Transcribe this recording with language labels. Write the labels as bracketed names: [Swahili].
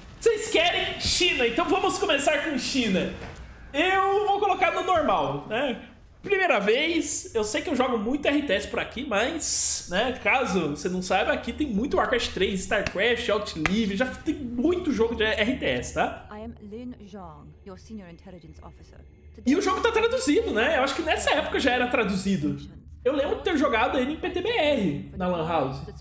[Portuguese] Vocês querem China, então vamos começar com China. Eu vou colocar no normal, né? Primeira vez, eu sei que eu jogo muito RTS por aqui, mas, né, caso você não saiba, aqui tem muito Warcraft 3, Starcraft, Outlive, já tem muito jogo de RTS, tá? [English] I am Lin Zhang, your senior intelligence officer. [Portuguese] E o jogo tá traduzido, né? Eu acho que nessa época já era traduzido. Eu lembro de ter jogado ele em PTBR, na Lan House.